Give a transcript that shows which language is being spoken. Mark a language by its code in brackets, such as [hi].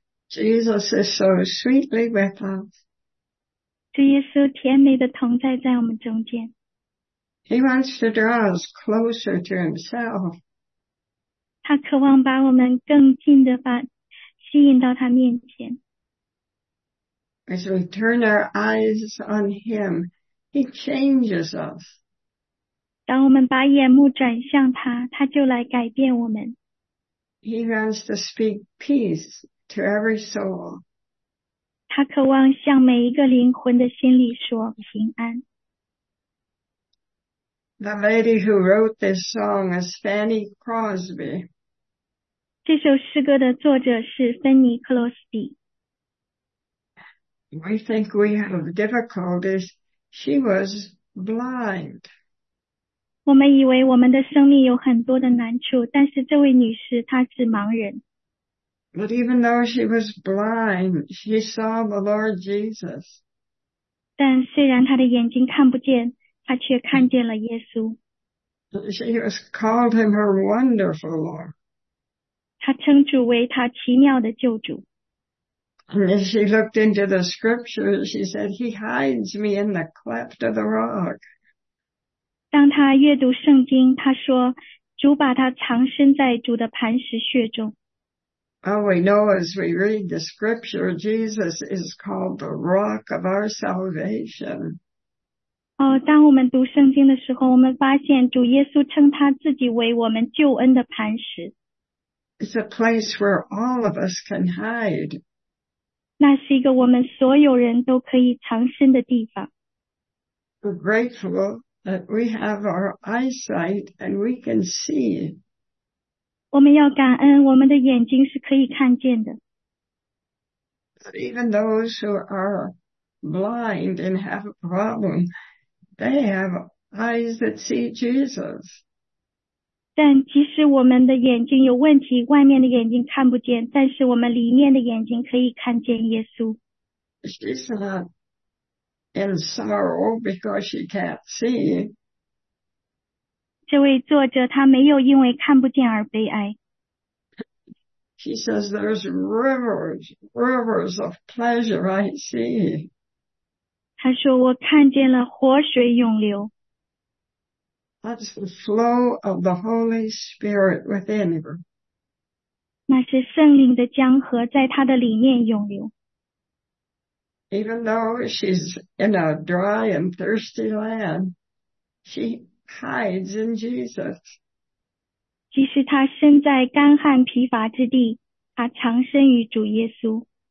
[en] Jesus is so sweetly with us. [zh] 主耶稣甜美的同在在我们中间。 [en] He wants to draw us closer to himself. [zh] 他渴望把我们更近的把吸引到他面前。 [en] As we turn our eyes on him, he changes us. [zh] 当我们把眼目转向他，他就来改变我们。 [en] He wants to speak peace to every soul. [zh] 他渴望向每一个灵魂的心里说平安。 [en] The lady who wrote this song is Fanny Crosby. [zh] 这首诗歌的作者是芬妮·克罗斯比。 [en] We think we have difficulties. She was blind. [zh] 我们以为我们的生命有很多的难处，但是这位女士她是盲人。 [en] But even though she was blind, she saw the Lord Jesus. [zh] 但虽然她的眼睛看不见，她却看见了耶稣。 [en] She has called him her wonderful Lord. [zh] 她称主为她奇妙的救主。 [en] And as she looked into the scriptures, she said, He hides me in the cleft of the rock. [zh] 当她阅读圣经，她说，主把她藏身在主的磐石穴中。 [en] All we know as we read the scripture, Jesus is called the rock of our salvation. [zh] 当我们读圣经的时候，我们发现主耶稣称他自己为我们救恩的磐石。 [en] It's a place where all of us can hide. [zh] 那是一个我们所有人都可以藏身的地方。 [en] We're grateful that we have our eyesight and we can see. [zh] 我们要感恩我们的眼睛是可以看见的。 [en] But even those who are blind and have a problem, they have eyes that see Jesus. [zh] 但即使我们的眼睛有问题，外面的眼睛看不见，但是我们里面的眼睛可以看见耶稣。 [en] She's not in sorrow because she can't see. [zh] 这位作者他没有因为看不见而悲哀。 [en] She says there's rivers, rivers of pleasure I see. [zh] 他说我看见了活水涌流。 [en] That's the flow of the Holy Spirit within her. [zh] 那是圣灵的江河在他的里面涌流。 [en] Even though she's in a dry and thirsty land, she hides in Jesus. [zh] 即使他身在干旱疲乏之地，他藏身于主耶稣。